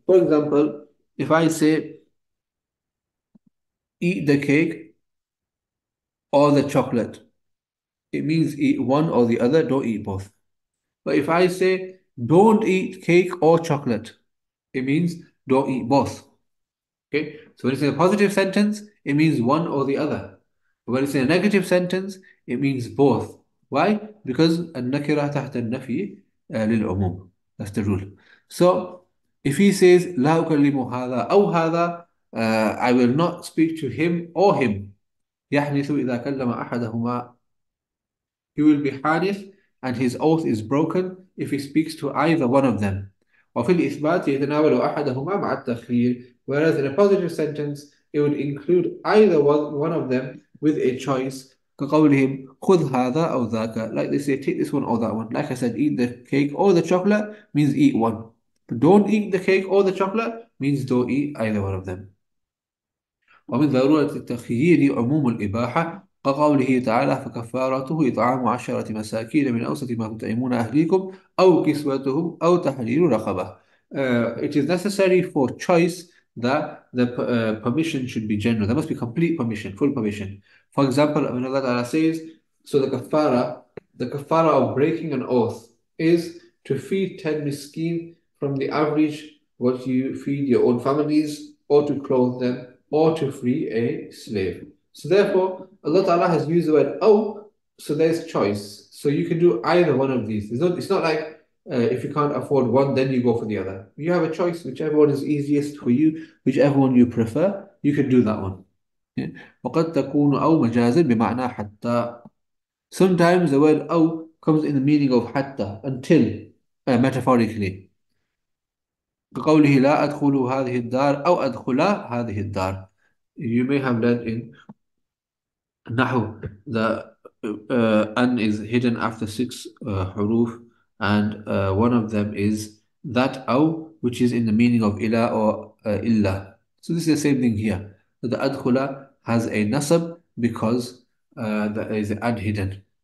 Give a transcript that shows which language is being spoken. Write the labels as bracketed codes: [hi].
[en] For example, if I say, eat the cake or the chocolate, it means eat one or the other, don't eat both. But if I say, don't eat cake or chocolate, it means don't eat both. Okay, so when it's in a positive sentence, it means one or the other. But when it's in a negative sentence, it means both. Why? [ar] Because النكرة تحت النفي للعموم. [en] That's the rule. So if he says [ar] لا أكلم هذا أو هذا [en] I will not speak to him or him. [ar] يحنث إذا كلم أحدهما. [en] He will be حانث and his oath is broken if he speaks to either one of them. [ar] وفي الإثبات يتناول أحدهما مع التخيير. [en] Whereas in a positive sentence, it would include either one of them with a choice. [ar] كقولهم خذ هذا أو ذاك. [en] Like they say, take this one or that one. Like I said, eat the cake or the chocolate means eat one. But don't eat the cake or the chocolate means don't eat either one of them. [ar] ومن ضرورة التخيير عموم الإباحة كقوله تعالى فكفارته إطعام 10 مساكين من أوسط ما تطعمون أهليكم أو كسوتهم أو تحرير رقبة. [en] It is necessary for choice that the permission should be general. There must be complete permission, full permission. For example, Allah Ta'ala says, so the kafara of breaking an oath is to feed 10 miskeen from the average what you feed your own families, or to clothe them, or to free a slave. So therefore, Allah Ta'ala has used the word, oh, so there's choice. So you can do either one of these. It's not like if you can't afford one, then you go for the other. You have a choice, whichever one is easiest for you, whichever one you prefer, you can do that one. [ar] وقد تكون أو مجازا بمعنى حتى. [en] Sometimes the word أو comes in the meaning of حتى until metaphorically. [ar] كقوله لا أدخل هذه الدار أو أدخل هذه الدار. [en] You may have learned in نحو the أن is hidden after 6 حروف and one of them is that أو which is in the meaning of إلا or إلا. So this is the same thing here. The أدخل has a nasab because there is an ad hidden.